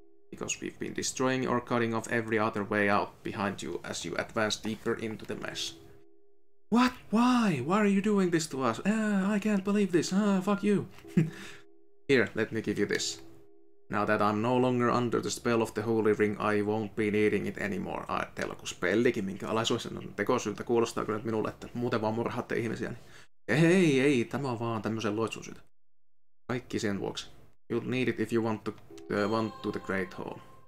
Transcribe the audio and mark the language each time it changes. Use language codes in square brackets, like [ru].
[en] Because we've been destroying or cutting off every other way out behind you as you advance deeper into the mess. What? Why? Why are you doing this to us? I can't believe this. Fuck you. Here, let me give you this. Now that I'm no longer under the spell of the Holy Ring, I won't be needing it anymore. [fi] Ajattelko kun spellikin, minkä alaisuudessa on tekosyltä, kuulostaa kyllä minulle, että muuten vaan murhaatte ihmisiä. Ei, tämä on vaan tämmöisen loitsun syytä. Kaikki sen vuoksi. [en] You'll need it if you want to the Great Hall.